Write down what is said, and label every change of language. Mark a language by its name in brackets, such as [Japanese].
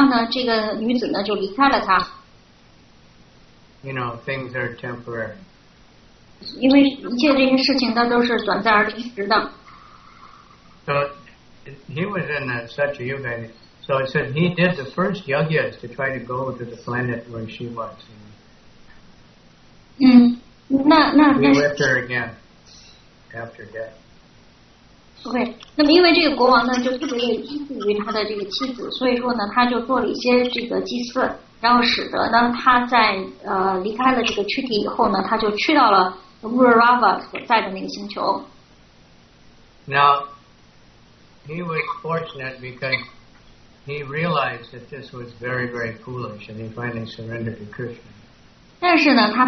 [Chinese] 但是呢，不知怎么样呢，这个女子呢就离开了他。 [English] You know, things are temporary. [Chinese] 因为一切这些事情，它都是短暂而临时的。 [English] So he was in such a yoga. So it said he did the first yogas to try to go to the planet where she was. 嗯，那那。 He left her again after death. [Chinese] OK， 那么因为这个国王呢，就特别依附于他的这个妻子，所以说呢，他就做了一些这个祭祀，然后使得呢，他在离开了这个躯体以后呢，他就去到了乌尔拉瓦所在的那个星球。 [English] Now he was fortunate because he realized that this was very, very foolish, and he finally surrendered to Krishna.